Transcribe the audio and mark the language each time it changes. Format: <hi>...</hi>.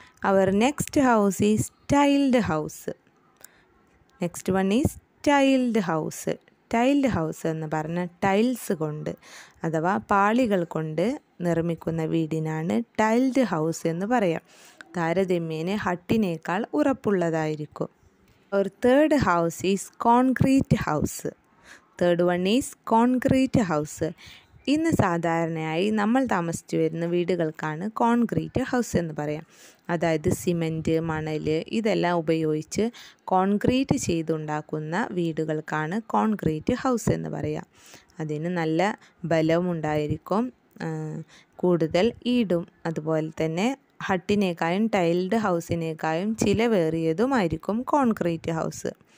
<en>അവർ next house is tiled house. Next one is tiled house.</en> <ml>Tailed house എന്ന് പറഞ്ഞാൽ tiles കൊണ്ട് അഥവാ പാളികൾ കൊണ്ട് നിർമ്മിക്കുന്ന വീടിനാണ് ടൈൽഡ് ഹൗസ് എന്ന് പറയാം. താരതമ്യേന ഹട്ടിനേക്കാൾ ഉറപ്പുള്ളതായിരിക്കും.</ml> <en>Our third house is concrete house. Third one is concrete house.</en> <ml>ഇന്ന് സാധാരണയായി നമ്മൾ താമസിച്ചു വരുന്ന വീടുകൾക്കാണ് കോൺക്രീറ്റ് ഹൗസ് എന്ന് പറയാം. അതായത് സിമൻറ്റ്, മണൽ ഇതെല്ലാം ഉപയോഗിച്ച് കോൺക്രീറ്റ് ചെയ്തുണ്ടാക്കുന്ന വീടുകൾക്കാണ് കോൺക്രീറ്റ് ഹൗസ് എന്ന് പറയാം. അതിന് നല്ല ബലമുണ്ടായിരിക്കും, കൂടുതൽ ഈടും, അതുപോലെ തന്നെ ഹട്ടിനേക്കാളും ടൈൽഡ് ഹൗസിനേക്കാളും ചിലവേറിയതുമായിരിക്കും കോൺക്രീറ്റ് ഹൗസ്.</ml>